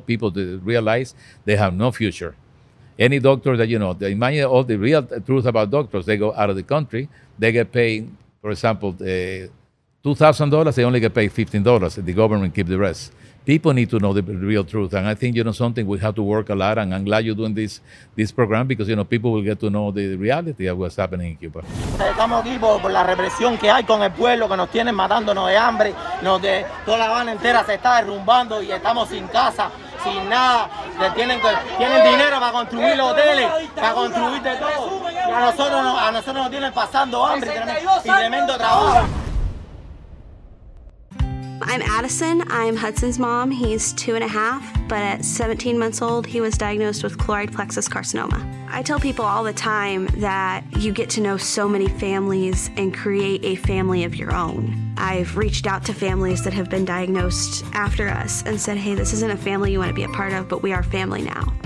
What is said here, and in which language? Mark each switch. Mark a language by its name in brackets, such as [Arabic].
[English] People to realize they have no future. Any doctor that, you know, they imagine all the real truth about doctors, they go out of the country, they get paid, for example, $2,000, they only get paid $15. The government keep the rest. People need to know the real truth. And I think, you know, something we have to work a lot, and I'm glad you're doing this program, because, you know, people will get to know the reality of what's happening in Cuba. [Spanish] Estamos aquí por la represión que hay con el pueblo, que nos tienen matándonos de hambre, toda la Habana entera se está derrumbando y estamos sin casa, sin nada. Tienen dinero para construir hoteles, para construir de todo. A nosotros nos tienen pasando hambre y tremendo trabajo. [English] I'm Addison. I'm Hudson's mom. He's 2.5, but at 17 months old, he was diagnosed with chloride plexus carcinoma. I tell people all the time that you get to know so many families and create a family of your own. I've reached out to families that have been diagnosed after us and said, hey, this isn't a family you want to be a part of, but we are family now.